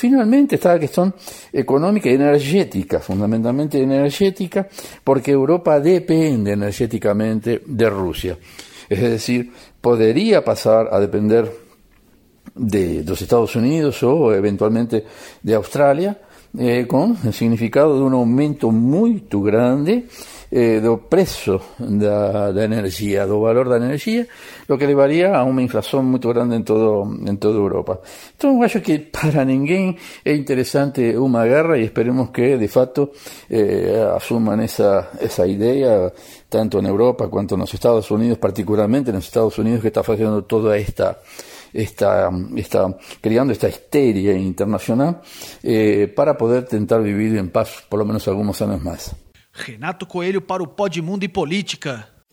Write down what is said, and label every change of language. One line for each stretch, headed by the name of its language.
Spanish: Finalmente está la cuestión económica y energética, fundamentalmente energética, porque Europa depende energéticamente de Rusia. Es decir, podría pasar a depender de los Estados Unidos o eventualmente de Australia, con el significado de un aumento muy grande
Galician: do prezo da enerxía, do valor da enerxía,
Spanish: lo que
Galician: levaría a unha inflación moito grande en toda Europa. Entón, eu acho que para ninguén é interesante unha guerra e esperemos que, de facto, asuman esa idea, tanto en Europa quanto nos Estados Unidos, particularmente nos Estados Unidos, que está facendo toda esta...
Spanish: está creando esta histeria internacional para poder tentar vivir en paz por lo menos algunos años más.
Galician: Renato Coelho para o Podmundo e Política.